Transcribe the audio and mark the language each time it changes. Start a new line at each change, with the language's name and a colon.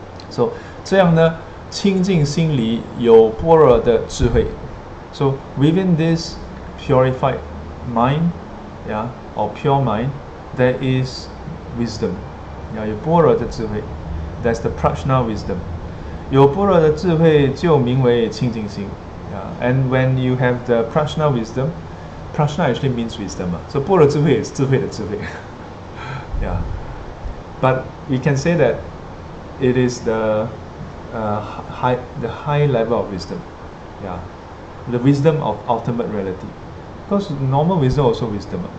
Chinese: So 这样呢，清净心里有般若的智慧。
English: So within this purified mind, yeah, or pure mind. There is wisdom. Yeah,
Chinese: 有般若的智慧。
English: That's the prajna wisdom.
Chinese: 有般若的智慧就名为清净心。
English: Yeah, and when you have the prajna wisdom, prajna actually means wisdom.
Chinese: So 般若智慧 is 智慧的智慧。Yeah.
English: But we can say that it is the high level of wisdom. Yeah. The wisdom of ultimate reality. Because normal wisdom also wisdom.